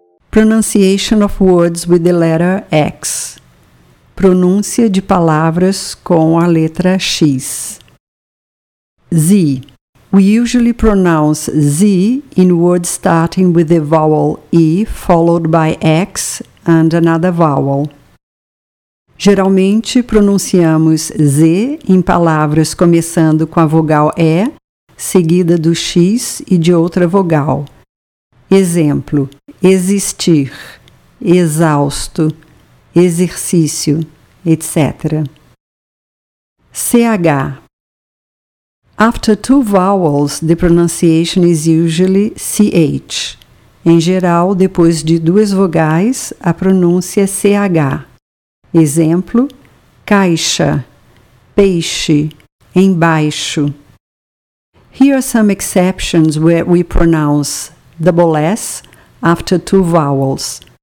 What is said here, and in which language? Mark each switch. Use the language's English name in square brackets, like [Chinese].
[English] Pronunciation of words with the letter X. [Portuguese] Pronúncia de palavras com a letra X. Z. [English] We usually pronounce Z in words starting with the vowel E, followed by X and another vowel. [Portuguese] Geralmente, pronunciamos Z em palavras começando com a vogal E, seguida do X e de outra vogal. Exemplo: existir, exausto, exercício, etc. CH. [English] After two vowels, the pronunciation is usually CH. [Portuguese] Em geral, depois de duas vogais, a pronúncia é CH. Exemplo: caixa, peixe, embaixo. [English] Here are some exceptions where we pronounce double S after two vowels.